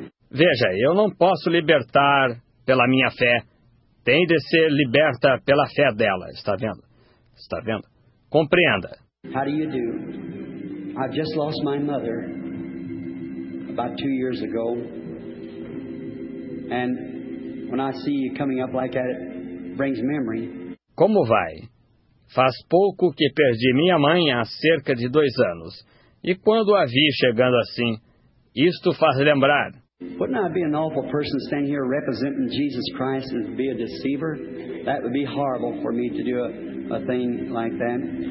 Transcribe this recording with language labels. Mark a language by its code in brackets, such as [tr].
[pt] Veja, eu não posso libertar pela minha fé. Tem de ser liberta pela fé dela. Está vendo? Está vendo? Compreenda. [en] How do you do? I just lost my mother about 2 years ago. And when I see you coming up like that, it brings memory. [pt] Como vai? Faz pouco que perdi minha mãe há cerca de 2 anos. E quando a vi chegando assim, isto faz lembrar. [en] Wouldn't I be an awful person standing here representing Jesus Christ and be a deceiver? That would be horrible for me to do a thing like that.